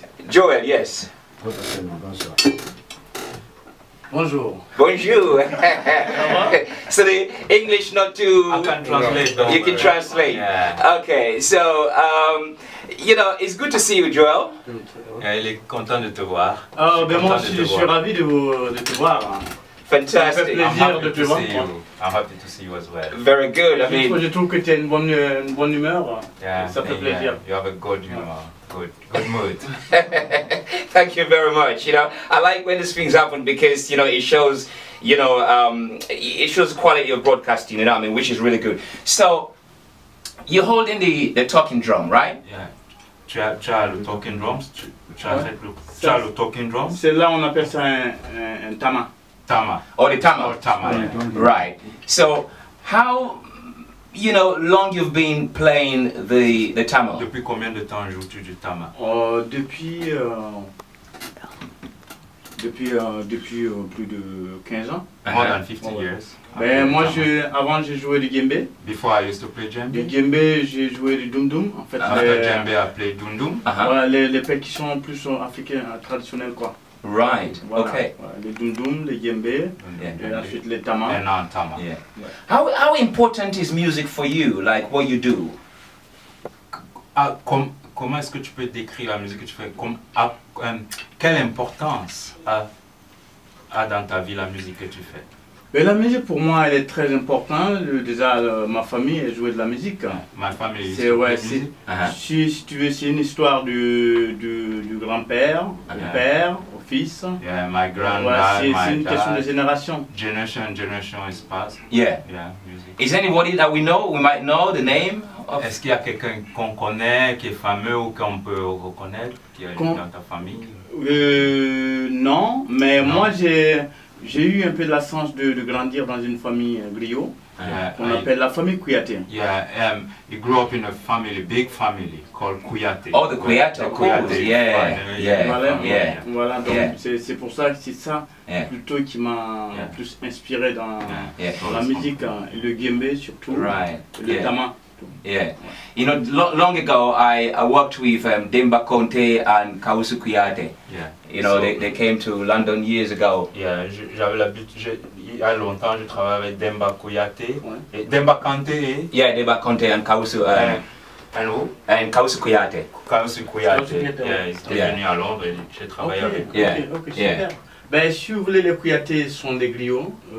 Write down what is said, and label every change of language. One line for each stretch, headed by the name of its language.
English: Joel, yes.
French: Bonjour. Bonjour.
English: So the English not too... I can translate. You can translate. Yeah. Okay, so, you know, it's good to see you, Joel.
French: Yeah, il est content de te voir. Oh, ben moi aussi, je suis ravi de te voir.
English: Fantastic. I'm happy to see you. I'm happy to see you as well. Very good. I mean,
French: je trouve que tu as une bonne humeur.
English: Yeah. You have a good humor. Good mood. Thank you very much. You know, I like when these things happen because you know it shows, you know, it shows quality of broadcasting. You know, what I mean, which is really good. So, you're holding the talking drum, right?
French: Yeah. Tu as le talking drums. Tu as le talking drum. C'est là on appelle ça un tama. Tama.
English: Or the tama. Or tama, yeah. Right. So, how, you know, long you've been playing the tama?
French: Depuis combien de temps joues-tu du tama? Depuis plus de 15 ans.
English: Uh-huh. More than 15 years.
French: Ben, moi, avant, j'ai joué du djembe.
English: Before I used to play djembe.
French: Du djembe, j'ai joué du dundum. En fait,
English: after djembe, I played dundum. Uh-huh.
French: Voilà, les pets qui sont plus africains, traditionnels, quoi.
English: Right.
French: Voilà.
English: Okay.
French: Les dundum, les djembe, et ensuite les tama.
English: And non tama. Yeah. Ouais. How important is music for you? Like what you do?
French: Comment est-ce que tu peux décrire la musique que tu fais? Quelle importance a dans ta vie la musique que tu fais? Mais la musique pour moi elle est très importante. Déjà ma famille elle jouait de la musique. Ma famille. C'est ouais. C'est, uh-huh. Si tu veux c'est une histoire du grand père, du père. Fils.
English: Yeah, my granddad, ouais,
French: c'est une
English: dad.
French: Question de génération.
English: Generation, generation is past. Yeah. Yeah, music. Is anybody that we might know the name of?
French: Est-ce qu'il y a quelqu'un qu'on connaît, qui est fameux ou qu'on peut reconnaître, qui est dans ta famille? Non, mais non. Moi j'ai eu un peu de la chance de grandir dans une famille griot. On appelle la famille Kouyaté.
English: Yeah, he grew up in a family, big family called Kouyaté. Oh, the Kouyaté. Oh, cool. Yeah, yeah, yeah.
French: Voilà,
English: yeah.
French: Voilà, donc yeah. C'est pour ça que c'est ça plutôt qui m'a plus inspiré dans la musique, le djembé surtout, le tama.
English: Yeah, you know, long ago I worked with Demba Konte and Kausu Kouyaté. Yeah, you know, they came to London years ago.
French: Yeah, j'avais l'habitude. Il y a longtemps, je travaillais avec Demba Kouyaté. Demba Konte.
English: Yeah, Demba Konte and Kausu. And who? And Kausu Kouyaté.
French: Kausu Kouyaté. Yeah, il est venu à Londres. J'ai travaillé avec.
English: Okay, okay, super.
French: Ben, si vous voulez, les Kouyaté sont des griots.